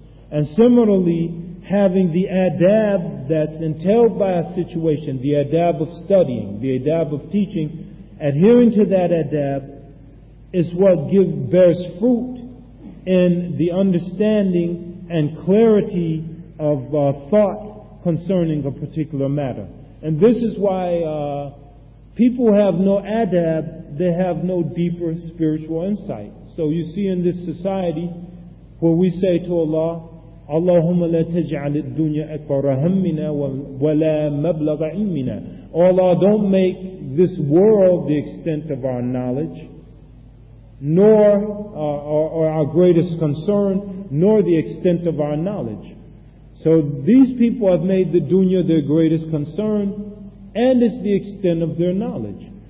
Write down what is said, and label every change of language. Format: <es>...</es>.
<en>And similarly, having the adab that's entailed by a situation, the adab of studying, the adab of teaching, adhering to that adab is what bears fruit in the understanding and clarity of thought concerning a particular matter. And this is why people have no adab, they have no deeper spiritual insight. So you see in this society where we say to Allah,</en> <ar>اللهم لا تجعل الدنيا أكبر همنا ولا مبلغ علمنا.</ar> <en>Oh Allah, don't make this world the extent of our knowledge, nor or our greatest concern, nor the extent of our knowledge. So these people have made the dunya their greatest concern, and it's the extent of their knowledge.</en>